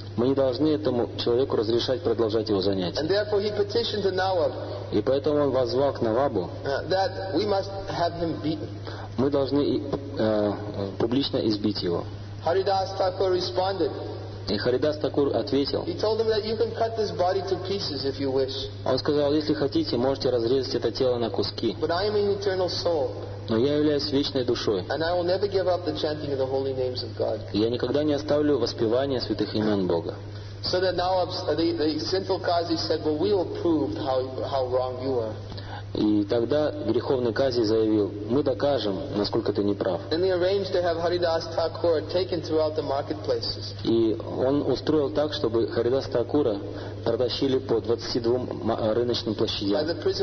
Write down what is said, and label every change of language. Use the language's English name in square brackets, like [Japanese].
[Russian] Мы не должны этому человеку разрешать продолжать его занятия. [English] And therefore, he petitioned the Nawab. [Russian] И поэтому он воззвал к Навабу. [English] That we must have him beaten. [Russian] Мы должны публично избить его. [English] Haridas Thakur responded. [Russian] И Харидас Такур ответил. [English] He told him that you can cut this body to pieces if you wish. [Russian] Он сказал, если хотите, можете разрезать это тело на куски. [English] But I am an eternal soul. [Russian] Но я являюсь вечной душой. [English] And I will never give up the chanting of the holy names of God. [Russian] Я никогда не оставлю воспевание святых имен Бога. [English] So that now the sinful Qazi said, "Well, we will prove how wrong you are." [Russian] И тогда греховный Кази заявил, мы докажем, насколько ты неправ. И он устроил так, чтобы Харидас Такура протащили по 22 рыночным площадям.